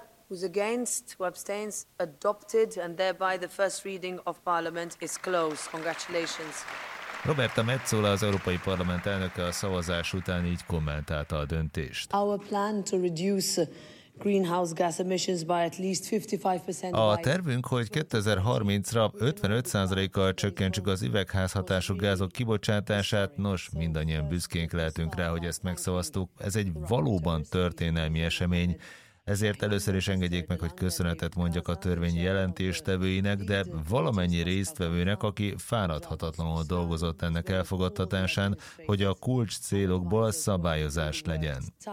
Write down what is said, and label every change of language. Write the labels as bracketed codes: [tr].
[en] Who's against, who abstains, adopted, and thereby the first reading of Parliament is closed. Congratulations. [hu] Roberta Metsola, az Európai Parlament elnöke a szavazás után így kommentálta a döntést. [en] Our plan to reduce greenhouse gas emissions by at least 55%. [hu] A tervünk, hogy 2030-ra 55%-kal csökkentsük az üvegházhatású gázok kibocsátását, nos, mindannyian büszkénk lehetünk rá, hogy ezt megszavaztuk. Ez egy valóban történelmi esemény. Ezért először is engedjék meg, hogy köszönetet mondjak a törvény jelentéstevőinek, de valamennyi résztvevőnek, aki fáradhatatlanul dolgozott ennek elfogadtatásán, hogy a kulcs célokból szabályozás legyen.